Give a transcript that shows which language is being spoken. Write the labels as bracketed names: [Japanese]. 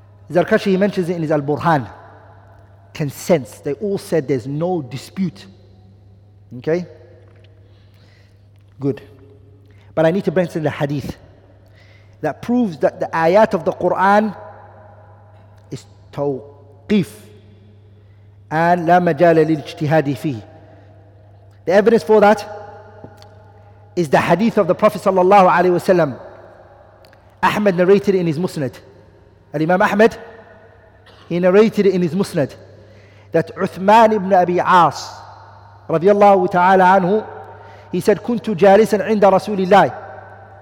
[English] Zarkashi, he mentions it in his Al-Burhan. Consents. They all said there's no dispute. Okay? Good. But I need to bring to the hadith that proves that the ayat of the Quran is tawqif. And [Arabic] لا مجال للاجتهاد فيه. [English] The evidence for that is the hadith of the Prophet sallallahu alaihi wasallam. Ahmed narrated in his Musnad. Al-Imam Ahmed, he narrated in his Musnad that Uthman ibn Abi As radiyallahu ta'ala anhu, he said, [Arabic] كنت جالسا عند رسول الله.